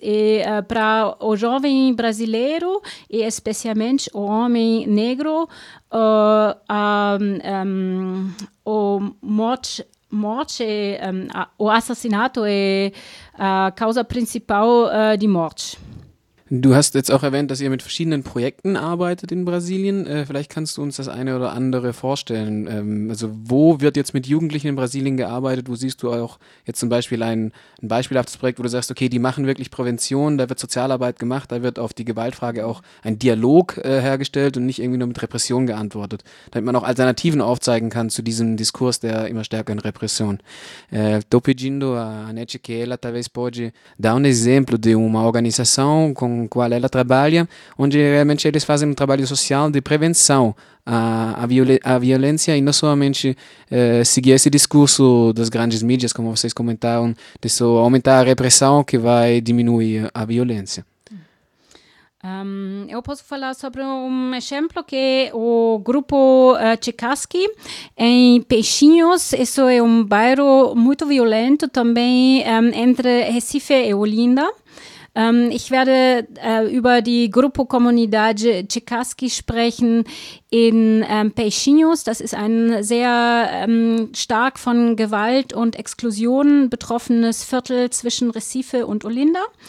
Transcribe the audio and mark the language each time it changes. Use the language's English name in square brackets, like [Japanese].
[Portuguese] E para o jovem brasileiro, e especialmente o homem negro, o assassinato é a causa principal de morte. [German] Du hast jetzt auch erwähnt, dass ihr mit verschiedenen Projekten arbeitet in Brasilien. Vielleicht kannst du uns das eine oder andere vorstellen. Also wo wird jetzt mit Jugendlichen in Brasilien gearbeitet? Wo siehst du auch jetzt zum Beispiel ein beispielhaftes Projekt, wo du sagst, okay, die machen wirklich Prävention, da wird Sozialarbeit gemacht, da wird auf die Gewaltfrage auch ein Dialog hergestellt und nicht irgendwie nur mit Repression geantwortet, damit man auch Alternativen aufzeigen kann zu diesem Diskurs der immer stärkeren Repression. [Portuguese] Tô pedindo a Anete que ela talvez pode dar exemplo de uma organização com com qual ela trabalha, onde realmente eles fazem um trabalho social de prevenção à violência e não somente seguir esse discurso das grandes mídias, como vocês comentaram, de só aumentar a repressão que vai diminuir a violência. Eu posso falar sobre um exemplo que o grupo Chikaski em Peixinhos. Isso é um bairro muito violento também entre Recife e Olinda. [German] Ich werde über die Grupo Comunidade Chikaski sprechen in Peixinhos. Das ist ein sehr stark von Gewalt und Exklusion betroffenes Viertel zwischen Recife und Olinda.